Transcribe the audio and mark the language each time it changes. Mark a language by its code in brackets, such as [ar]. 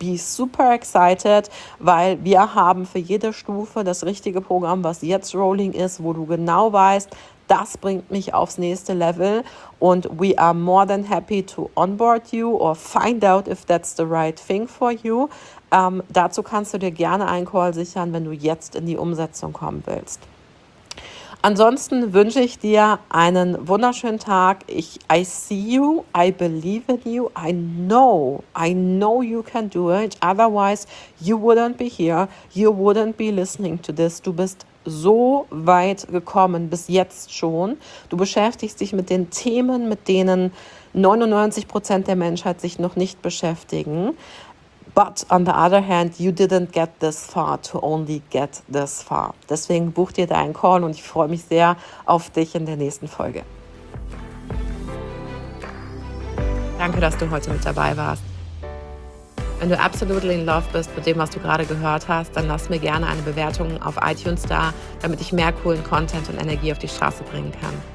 [en] Be super excited, [de] weil wir haben für jede Stufe das richtige Programm, was jetzt rolling ist, wo du genau weißt, das bringt mich aufs nächste Level und [en] we are more than happy to onboard you or find out if that's the right thing for you. [de] Dazu kannst du dir gerne einen Call sichern, wenn du jetzt in die Umsetzung kommen willst. Ansonsten wünsche ich dir einen wunderschönen Tag. [en] I see you, I believe in you, I know you can do it. Otherwise, you wouldn't be here, you wouldn't be listening to this. [de] Du bist so weit gekommen, bis jetzt schon. Du beschäftigst dich mit den Themen, mit denen 99% der Menschheit sich noch nicht beschäftigen. [en] But on the other hand, you didn't get this far to only get this far. [de] Deswegen buch dir deinen Call und ich freue mich sehr auf dich in der nächsten Folge. Danke, dass du heute mit dabei warst. Wenn du absolut [en] in love [de] bist mit dem, was du gerade gehört hast, dann lass mir gerne eine Bewertung auf iTunes da, damit ich mehr coolen Content und Energie auf die Straße bringen kann.